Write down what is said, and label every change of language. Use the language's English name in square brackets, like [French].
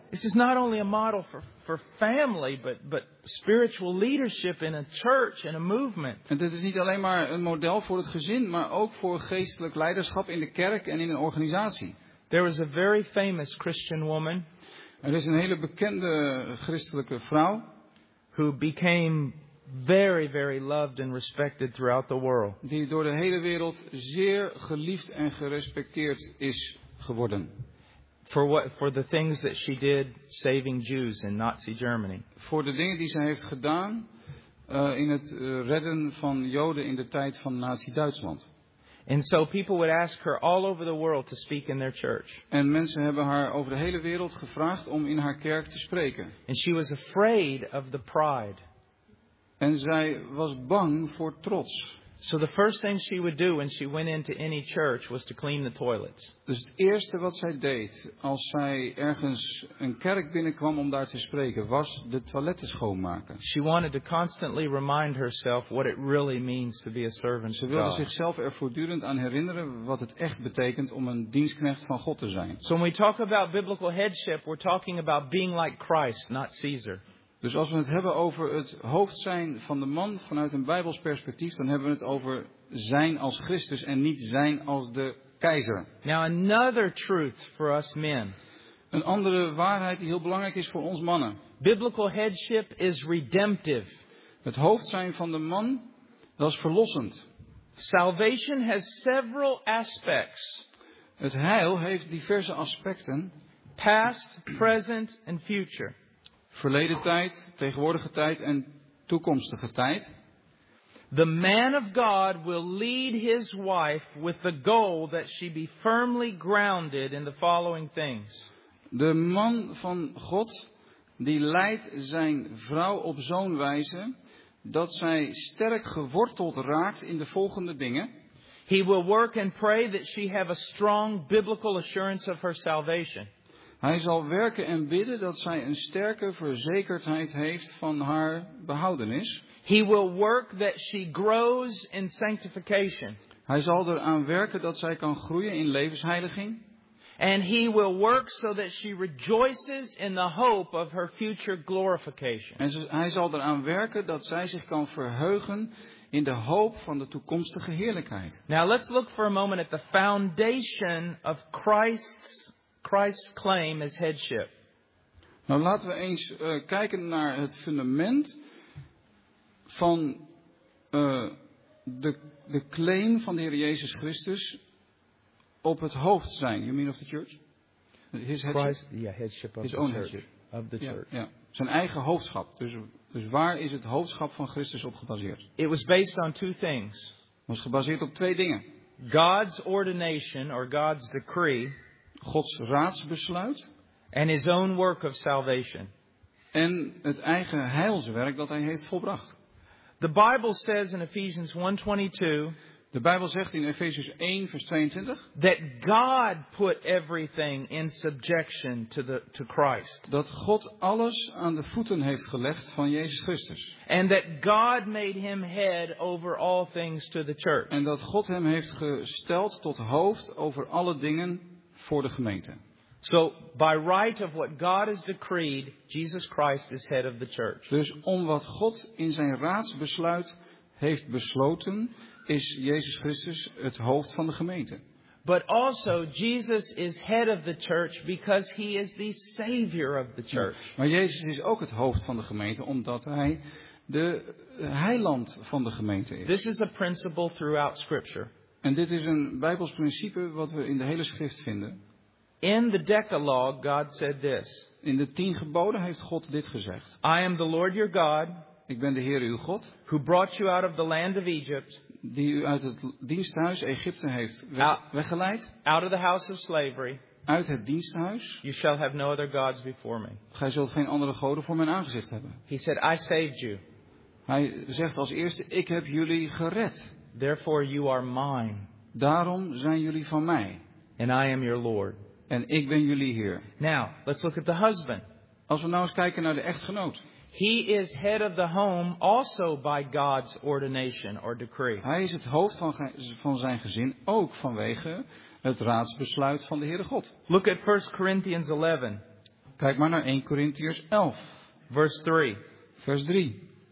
[English] It is not only a model for family, but spiritual leadership in a church and a movement. [Dutch] En dit is niet alleen maar een model voor het gezin, maar ook voor geestelijk leiderschap in de kerk en in een organisatie. [English] There was a very famous Christian woman. [Dutch] Er is een hele bekende christelijke vrouw [English] who became very, very loved and respected throughout the world. [Dutch] Die door de hele wereld zeer geliefd en gerespecteerd is geworden. [English] For what, for the things that she did saving Jews in Nazi Germany. [Dutch] Voor de dingen die ze heeft gedaan in het redden van Joden in de tijd van Nazi Duitsland. [English] And so people would ask her all over the world to speak in their church. [Dutch] En mensen hebben haar over de hele wereld gevraagd om in haar kerk te spreken. [English] And she was afraid of the pride. [Dutch] En zij was bang voor trots. [English] So the first thing she would do when she went into any church was to clean the toilets. [Dutch] Dus het eerste wat zij deed als zij ergens een kerk binnenkwam om daar te spreken, was de toiletten schoonmaken. [English] She wanted to constantly remind herself what it really means to be a servant. [Dutch] Ze wilde zichzelf er voortdurend aan herinneren wat het echt betekent om een dienstknecht van God te zijn. [English] So when we talk about biblical headship, we're talking about being like Christ, not Caesar. [Dutch] Dus als we het hebben over het hoofd zijn van de man vanuit een Bijbels perspectief, dan hebben we het over zijn als Christus en niet zijn als de keizer. [English] Now another truth for us men. [Dutch] Een andere waarheid die heel belangrijk is voor ons mannen. [English] Biblical headship is redemptive. [Dutch] Het hoofd zijn van de man, dat is verlossend. [English] Salvation has several aspects. [Dutch] Het heil heeft diverse aspecten. [English] Past, present and future. [Dutch] Verleden tijd, tegenwoordige tijd en toekomstige tijd. [English] The man of God will lead his wife with the goal that she be firmly grounded in the following things. [Dutch] De man van God die leidt zijn vrouw op zo'n wijze dat zij sterk geworteld raakt in de volgende dingen. [English] He will work and pray that she have a strong biblical assurance of her salvation. [Dutch] Hij zal werken en bidden dat zij een sterke verzekerdheid heeft van haar behoudenis. [English] He will work that she grows in sanctification. [Dutch] Hij zal eraan werken dat zij kan groeien in levensheiliging. [English] And he will work so that she rejoices in the hope of her future glorification. [Dutch] En hij zal eraan werken dat zij zich kan verheugen in de hoop van de toekomstige heerlijkheid. [English] Now let's look for a moment at the foundation of Christ's claim as headship. [Dutch] Nou laten we eens kijken naar het fundament van de claim van de Heer Jezus Christus op het hoofd zijn. [English] You mean of the church? His headship. Christ, yeah, headship of his the own church. Headship. Of the church. [Dutch] Yeah, yeah. Zijn eigen hoofdschap. Dus waar is het hoofdschap van Christus op gebaseerd? [English] It was based on two things. [Dutch] Het was gebaseerd op twee dingen. [English] God's ordination or God's decree. [Dutch] Gods raadsbesluit. [English] And his own work of salvation. [Dutch] En het eigen heilswerk dat hij heeft volbracht. [English] The Bible says in Ephesians 1:22. [Dutch] De Bijbel zegt in Efesius 1 vers 22. [English] That God put everything in subjection to Christ. [Dutch] Dat God alles aan de voeten heeft gelegd van Jezus Christus. [English] And that God made him head over all things to the church. [Dutch] En dat God hem heeft gesteld tot hoofd over alle dingen voor de gemeente. [English] So by right of what God has decreed, Jesus Christ is head of the church. [Dutch] Dus om wat God in zijn raadsbesluit heeft besloten, is Jezus Christus het hoofd van de gemeente. [English] But also Jesus is head of the church because he is the savior of the church. [Dutch] Ja, maar Jezus is ook het hoofd van de gemeente omdat hij de heiland van de gemeente is. [English] This is a principle throughout scripture. [Dutch] En dit is een Bijbels principe wat we in de hele schrift vinden. [English] In the Decalogue, God said this. [Dutch] In de tien geboden heeft God dit gezegd. [English] I am the Lord your God. [Dutch] Ik ben de Heer uw God. [English] Who brought you out of the land of Egypt. [Dutch] Die u uit het diensthuis Egypte heeft weggeleid. [English] Out of the house of slavery. [Dutch] Uit het diensthuis. [English] You shall have no other gods before me. [Dutch] Gij zult geen andere goden voor mijn aangezicht hebben. [English] He said, I saved you. [Dutch] Hij zegt als eerste, ik heb jullie gered. [English] Therefore you are mine. [Dutch] Daarom zijn jullie van mij. [English] And I am your Lord. [Dutch] En ik ben jullie Heer. [English] Now, let's look at the husband. [Dutch] Als we nou eens kijken naar de echtgenoot. [English] He is head of the home also by God's ordination or decree. [Dutch] Hij is het hoofd van zijn gezin ook vanwege het raadsbesluit van de Heere God. [English] Look at 1 Corinthians 11. [Dutch] Kijk maar naar 1 Corinthians 11. [English] Verse 3. [Dutch] Vers 3.